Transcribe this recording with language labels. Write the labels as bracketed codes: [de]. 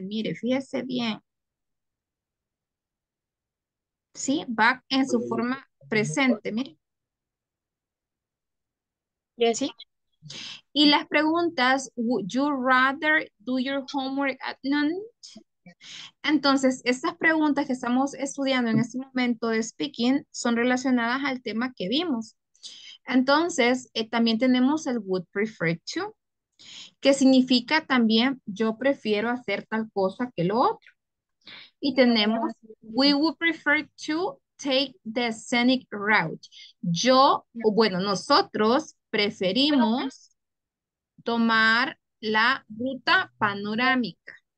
[es] Mire, fíjese bien. Sí, va en su forma presente, mire. ¿Sí? Y las preguntas, [en] would you rather do your homework at noon? [es] Entonces, estas preguntas que estamos estudiando en este momento de speaking son relacionadas al tema que vimos. Entonces, también tenemos el [en] would prefer to, [es] que significa también yo prefiero hacer tal cosa que lo otro. Y tenemos [en] we would prefer to take the scenic route. [es] Yo, o bueno, nosotros preferimos tomar la ruta panorámica.